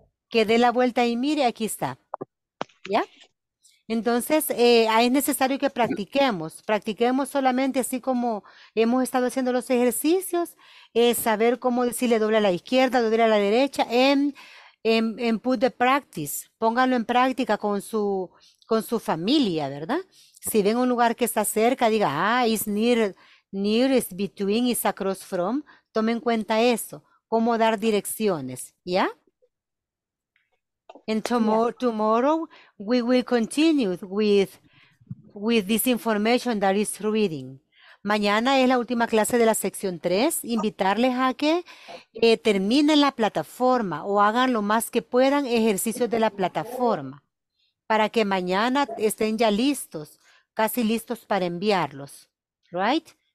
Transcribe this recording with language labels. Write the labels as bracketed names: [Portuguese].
[Spanish] Que dé la vuelta y mire, aquí está. ¿Ya? Entonces, es necesario que practiquemos solamente así como hemos estado haciendo los ejercicios, saber cómo decirle doble a la izquierda, doble a la derecha, en [English] put the practice, [Spanish] pónganlo en práctica con su familia, ¿verdad? Si ven un lugar que está cerca, diga, ah, [English] is near, is between, is across from, [Spanish] tome en cuenta eso, cómo dar direcciones, ¿ya? [English] And tomorrow we will continue with this information that is reading. [Spanish] Mañana es la última clase de la sección 3. Invitarles a que terminen la plataforma o hagan lo más que puedan ejercicios de la plataforma para que mañana estén ya listos, casi listos para enviarlos. Right?